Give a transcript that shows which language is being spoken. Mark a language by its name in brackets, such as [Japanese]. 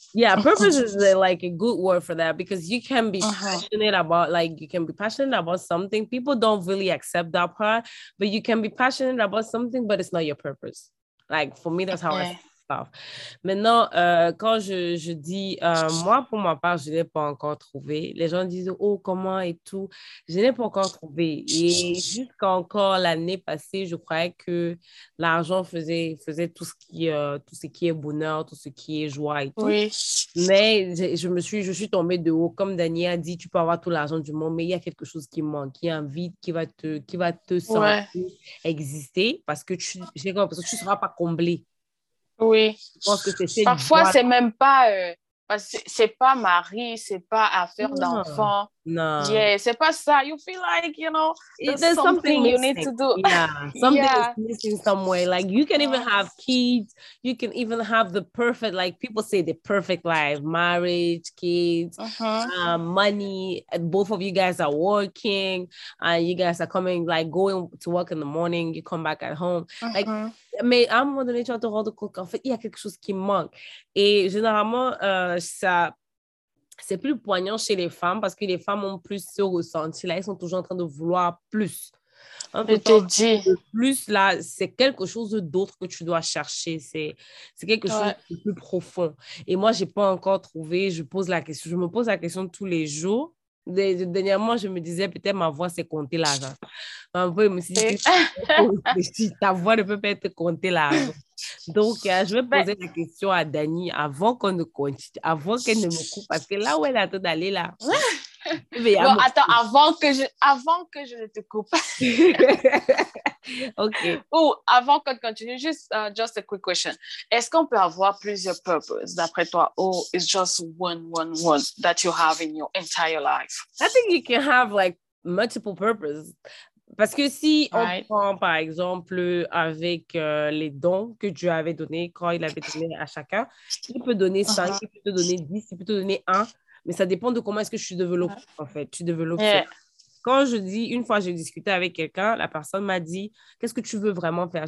[English] Yeah, purpose is like a good word for that because you can be passionate about, like, you can be passionate about something. People don't really accept that part, but you can be passionate about something, but it's not your purpose. Like, for me, that's how I stuff. [French] Maintenant, quand je dis, moi, pour ma part, je n'ai pas encore trouvé. Les gens disent, oh, comment et tout. Je n'ai pas encore trouvé. Et jusqu'à encore l'année passée, je croyais que l'argent faisait tout ce qui est bonheur, tout ce qui est joie et tout. Oui. Mais je suis tombée de haut. Comme Daniel a dit, tu peux avoir tout l'argent du monde, mais il y a quelque chose qui manque, qui est un vide, qui va te sentir exister parce que tu ne seras pas comblée. Oui. Je pense que c'est parfois, c'est même pas... c'est pas mari, c'est pas affaire d'enfant. Non. [English] Yeah, [French] c'est pas ça. [English] You feel like, you know, there's something you need to do. Yeah, something is missing somewhere. Like, you can even have kids. You can even have the perfect, like, people say the perfect life. Marriage, kids, money. Both of you guys are working. And you guys are coming, like, going to work in the morning. You come back at home. Uh-huh. [French] Like, mais à un moment donné, tu vas te rendre compte qu'en fait, il y a quelque chose qui manque. Et généralement, ça, c'est plus poignant chez les femmes parce que les femmes ont plus ce ressenti. Là, elles sont toujours en train de vouloir plus. Je te dis. Plus, là, c'est quelque chose d'autre que tu dois chercher. C'est quelque chose de plus profond. Et moi, je n'ai pas encore trouvé. Je me pose la question tous les jours. Dernièrement, je me disais, peut-être ma voix, c'est compter l'argent. Ma voix, je me suis dit, ta voix ne peut pas être compter l'argent. Donc, je vais poser la question à Dani avant qu'on ne continue, avant qu'elle ne me coupe, parce que là où elle attend d'aller, là... Bon, attends, avant que je ne te coupe. OK. Ou avant qu'on continue, [English] just a quick question. [French] Est-ce qu'on peut avoir plusieurs purposes d'après toi, [English] or it's just one that you have in your entire life? I think you can have like multiple purposes. [French] Parce que si on prend, par exemple, avec les dons que Dieu avait donnés, quand il avait donné à chacun, il peut donner 5, il peut te donner 10, il peut te donner 1. Mais ça dépend de comment est-ce que tu développes, en fait. Tu développes ça. quand je dis, une fois j'ai discuté avec quelqu'un, la personne m'a dit, qu'est-ce que tu veux vraiment faire?